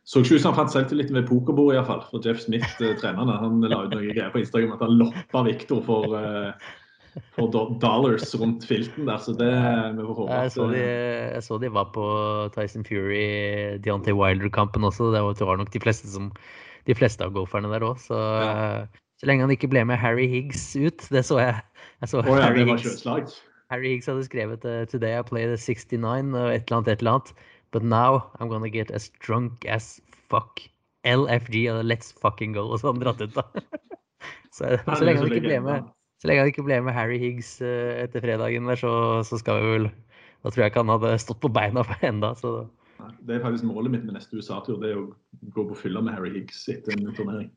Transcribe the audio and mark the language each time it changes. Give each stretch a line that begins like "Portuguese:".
Norwegian: Så ikke ut som han fant selv til litt ved pokerbord I hvert fall, for Jeff Smith, trenerne, han la ut noen greier på Instagram at han loppet Victor for dollars rundt filten der, så det vi får håpe. Jeg så de var på Tyson Fury Deontay Wilder-kampen også, det var nok de fleste av golferne der også, så ja. Så lenge han ikke ble med Harry Higgs ut, det så jeg. Harry Higgs
English: hadde skrevet Today I played 69
Norwegian: og et eller annet,
English: but now I'm gonna get as drunk as fuck. LFG, let's fucking go,
Norwegian: og så han dratt ut da. Så lenge han ikke ble med Harry Higgs etter fredagen der, så skal vi vel, da tror jeg ikke han hadde stått på beina på enda. Så. Det faktisk målet mitt med neste USA-tur, det å gå på fylla med Harry Higgs etter en turnering.